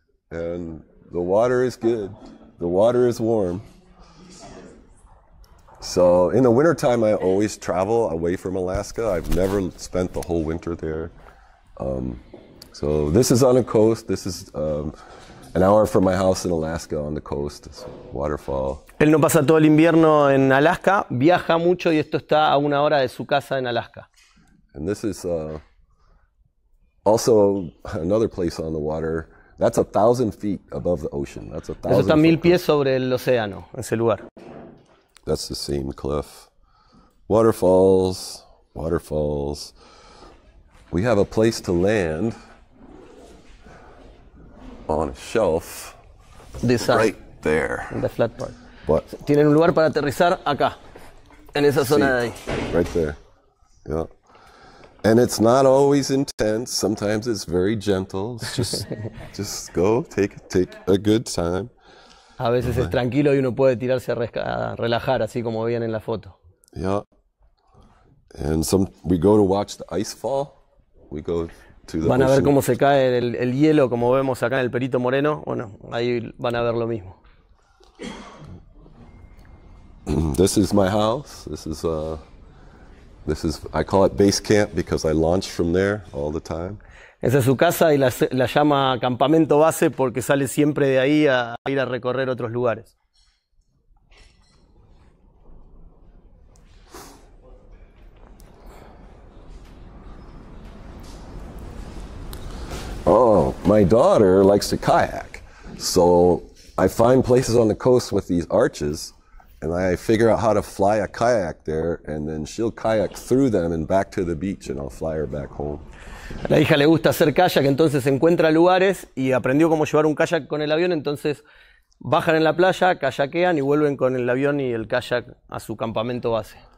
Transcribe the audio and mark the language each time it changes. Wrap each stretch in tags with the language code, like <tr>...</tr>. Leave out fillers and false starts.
<en>And the water is good. The water is warm. So in the winter time, I always travel away from Alaska. I've never spent the whole winter there. So this is on a coast. This is an hour from my house in Alaska on the coast. It's a waterfall.</en> <es>Él no pasa todo el invierno en Alaska. Viaja mucho y esto está a una hora de su casa en Alaska.</es> <en>And this is also another place on the water. That's 1,000 feet above the ocean. That's 1,000.</en> <es>Eso está 1,000 pies sobre el océano, ese lugar.</es> <en>That's the same cliff. Waterfalls, waterfalls. We have a place to land on a shelf. This right there. In the flat part. But</en> <es>tienen un lugar para aterrizar acá, en esa zona de ahí.</es> <en>Right there. Yeah. And it's not always intense. Sometimes it's very gentle. It's just just go, take a good time.</en> <es>A veces es tranquilo y uno puede tirarse a relajar, así como bien en la foto.</es> <en>Yeah. And some we go to watch the ice fall. We go to the van</en> <es>A ver cómo se cae el hielo, como vemos acá en el Perito Moreno. Bueno, ahí van a ver lo mismo.</es> <en>This is my house. This is I call it base camp because I launch from there all the time.</en> <es>Esa es su casa y la llama campamento base porque sale siempre de ahí a ir a recorrer otros lugares.</es> <en>Oh, my daughter likes to kayak. So I find places on the coast with these arches. And I figure out how to fly a kayak there, and then she'll kayak through them and back to the beach, and I'll fly her back home.</en> <es>La hija le gusta hacer kayak, entonces encuentra lugares y aprendió cómo llevar un kayak con el avión. Entonces bajan en la playa, kayakean y vuelven con el avión y el kayak a su campamento base.</es>